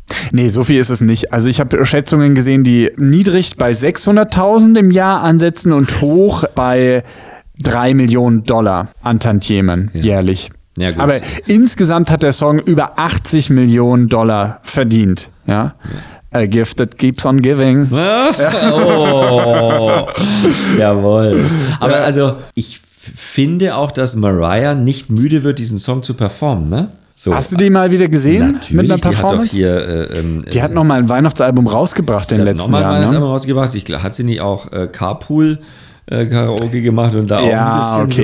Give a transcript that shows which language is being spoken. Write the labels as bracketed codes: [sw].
[de] Nee, so viel ist es nicht. Also ich habe Schätzungen gesehen, die niedrig bei 600.000 im Jahr ansetzen und hoch bei 3 Millionen Dollar an Tantiemen jährlich. Ja, gut. Aber insgesamt hat der Song über 80 Millionen Dollar verdient. Ja? [en] A gift that keeps on giving. [de] Oh, jawohl. Aber also ich finde auch, dass Mariah nicht müde wird, diesen Song zu performen, ne? So. Hast du die mal wieder gesehen? Natürlich, mit einer Performance? Die hat, hat nochmal ein Weihnachtsalbum rausgebracht in den letzten Jahren. Hat sie nicht auch Carpool-Karaoke gemacht und da auch ein bisschen